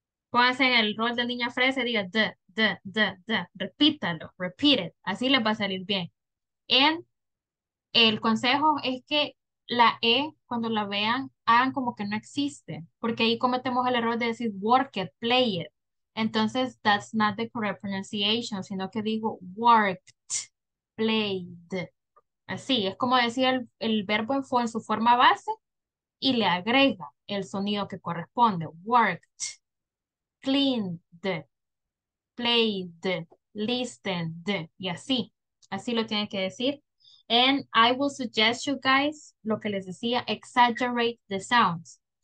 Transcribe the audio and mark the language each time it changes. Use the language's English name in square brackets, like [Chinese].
[Spanish] Pónganse en el rol de niña fresa y diga D, D, D, D. Repítalo, [English] repeat it. [Spanish] Así les va a salir bien. And el consejo es que la E, cuando la vean, hagan como que no existe. Porque ahí cometemos el error de decir [English] work it, play it. [Spanish] Entonces, [English] that's not the correct pronunciation, [Spanish] sino que digo [English] worked, played. [Spanish] Así, es como decir el verbo en su forma base y le agrega el sonido que corresponde. [English] Worked, cleaned, played, listened, y así. [Spanish] Así lo tienen que decir. [English] And I will suggest you guys, [Spanish] lo que les decía, [English] exaggerate the sounds.